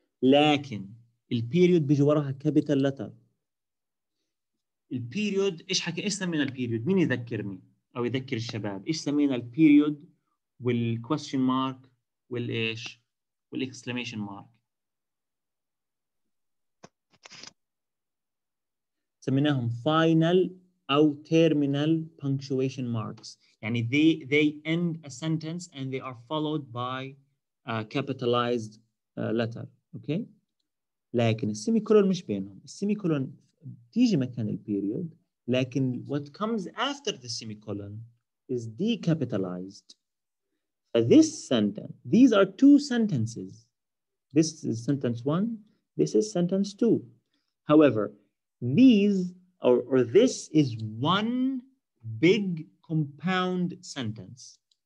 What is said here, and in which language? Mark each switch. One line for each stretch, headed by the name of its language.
Arabic: لكن ال period بيجي وراها capital letter. ال period إيش حكي إيش سمينا ال period؟ مين يذكرني أو يذكر الشباب إيش سمينا ال period وال question mark والإيش وال exclamation mark؟ سميناهم final أو terminal punctuation marks.
English: يعني they end a sentence and they are followed by a capitalized letter. Okay.
Arabic: لكن السيميكولون مش بينهم. السيميكولون تيجي مكان البيريود.
English: لكن what comes after the semicolon is decapitalized. This sentence. These are two sentences. This is sentence one. This is sentence two. However, these or this is one big compound sentence.